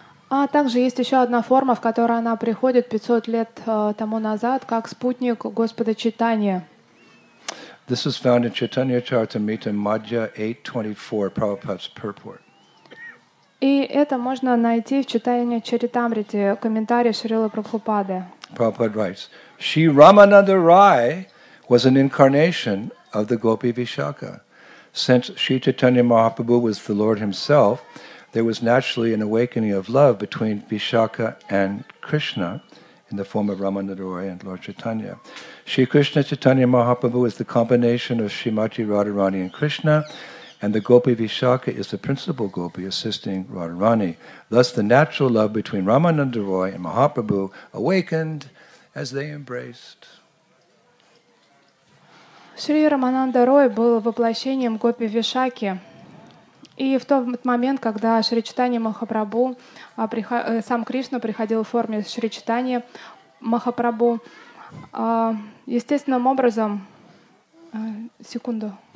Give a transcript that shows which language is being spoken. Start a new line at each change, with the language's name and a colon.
Russian: А также есть еще одна форма, в которой она приходит 500 лет тому назад, как спутник Господа Чайтаньи.
English: This is found in Chaitanya Charitamrita Madhya 8.24, Prabhupada's purport.
Russian: И это можно найти в читании Чаритамрите, комментарии Шрилы Прабхупады.
English: Prabhupada writes, Shri Ramananda Rai was an incarnation of the Gopi Vishakha. Since Shri Chaitanya Mahaprabhu was the Lord himself, there was naturally an awakening of love between Vishakha and Krishna in the form of Ramananda Rai and Lord Chaitanya. Shri Krishna Chaitanya Mahaprabhu is the combination of Srimati Radharani and Krishna, and the Gopi Vishakha is the principal Gopi assisting Radharani. Thus, the natural love between Ramananda Roy and Mahaprabhu awakened as they embraced.
Russian: Шри Рамананда Рой был воплощением Гопи Вишакхи. И в тот момент, когда Шри Чайтанья Махапрабху, сам Кришна приходил в форме Шри Чайтанья Махапрабху, естественным образом... Секунду.